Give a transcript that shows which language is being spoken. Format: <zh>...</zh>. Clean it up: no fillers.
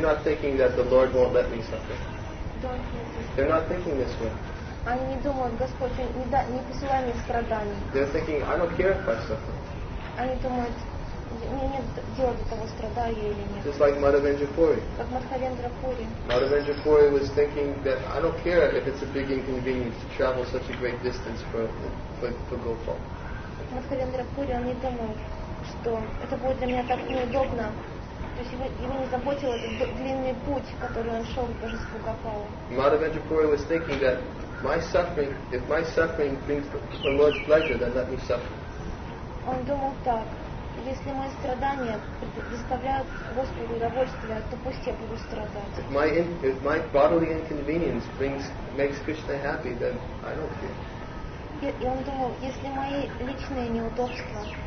<en>not thinking that the Lord won't let me suffer. They're not thinking this way.</en> <ru>Они не думают, Господь, не посылай мне страданий.</ru> <en>They're thinking, I don't care if I suffer.</en> <ru>Они думают, мне нет дела до того, страдаю я или нет.</ru> <en>Just like Madhavendra Puri.</en> <ru>Как Мадхавендра Пури.</ru> <en>Madhavendra Puri was thinking that I don't care if it's a big inconvenience to travel such a great distance for Gopal.</en> <ru>Мадхавендра Пури, он не думал, что это будет для меня так неудобно. То есть его не заботил этот длинный путь, который он шел к божеству Гопалу.</ru> <en>Madhavendra Puri was thinking that my suffering, if my suffering brings the Lord's pleasure, then let me suffer.</en> <ru>Он думал так. Если мои страдания доставляют Господу удовольствие, то пусть я буду страдать.</ru> <en>If my bodily inconvenience makes Krishna happy, then I don't care.</en> <ru>И он думал, если мои личные неудобства...</ru>